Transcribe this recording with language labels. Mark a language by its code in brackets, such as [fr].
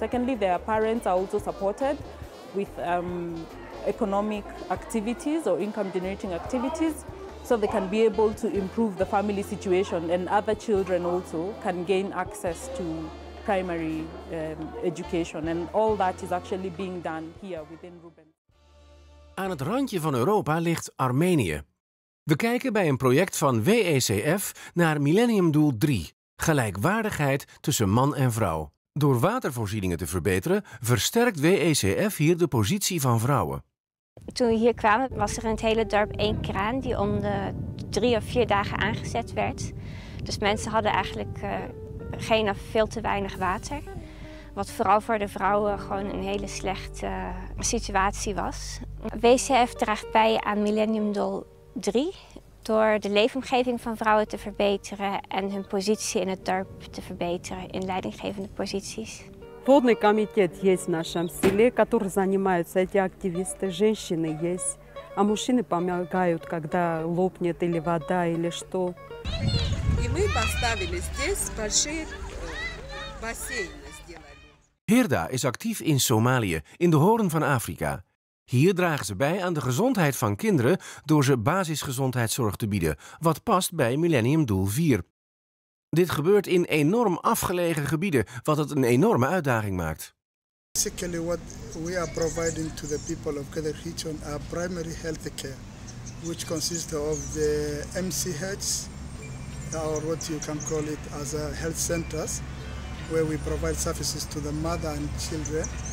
[en] Secondly, their parents are also supported with economic activities or income generating activities, so they can be able to improve the family situation, and other children also can gain access to primary education. And all that is actually being done here within Ruben. [nl] Aan het randje van Europa ligt Armenië. We kijken bij een project van WECF naar Millenniumdoel 3, gelijkwaardigheid tussen man en vrouw. Door watervoorzieningen te verbeteren, versterkt WECF hier de positie van vrouwen. Toen we hier kwamen, was er in het hele dorp één kraan die om de 3 of 4 dagen aangezet werd. Dus mensen hadden eigenlijk geen of veel te weinig water. Wat vooral voor de vrouwen gewoon een hele slechte situatie was. WECF draagt bij aan Millenniumdoel 3 door de leefomgeving van vrouwen te verbeteren en hun positie in het dorp te verbeteren in leidinggevende posities. [ru] Водный комитет есть в нашем селе, который занимаются эти активисты. Женщины есть, а мужчины помогают, когда лопнет или вода или что. И мы поставили здесь большие бассейны сделали. [nl] Hirda is actief in Somalië, in de Hoorn van Afrika. Hier dragen ze bij aan de gezondheid van kinderen door ze basisgezondheidszorg te bieden, wat past bij Millenniumdoel 4. Dit gebeurt in enorm afgelegen gebieden, wat het een enorme uitdaging maakt. [en] Basically what we are providing to the people of Gedder Hitchon are primary health care, which consists of the MCH, or what you can call it as a health centers, where we provide services to the mother and children.